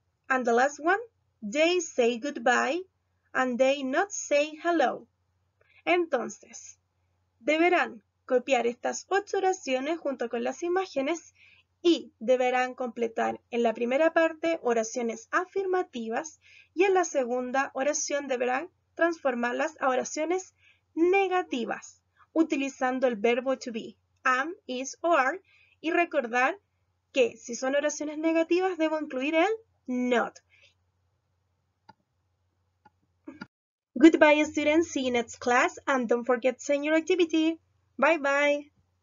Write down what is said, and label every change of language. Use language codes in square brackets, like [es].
[en] And the last one, they say goodbye and they not say hello. [es] Entonces, deberán copiar estas 8 oraciones junto con las imágenes y deberán completar en la primera parte oraciones afirmativas y en la segunda oración deberán transformarlas a oraciones negativas utilizando el verbo to be, am, is o are, y recordar que si son oraciones negativas debo incluir el not. [en] Goodbye, students. See you next class and don't forget to send your activity. Bye bye.